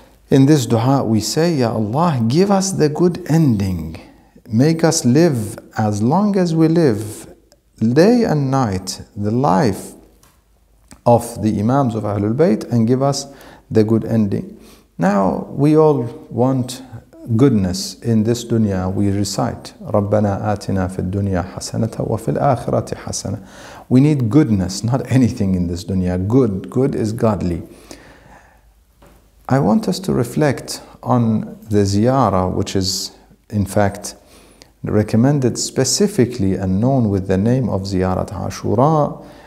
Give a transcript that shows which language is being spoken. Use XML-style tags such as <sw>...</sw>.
<en>In this dua we say, Ya Allah, give us the good ending. Make us live as long as we live, day and night, the life of the Imams of Ahlul Bayt, and give us the good ending. Now, we all want goodness in this dunya.</en> <ar>We recite, رَبَّنَا آتِنَا فِي الدُّنْيَا حَسَنَةً وَفِي الْآخِرَةِ حَسَنَةً.</ar> <en>We need goodness, not anything in this dunya. Good, good is godly. I want us to reflect on the ziyara, which is in fact recommended specifically and known with the name of Ziarat Ashura.</en>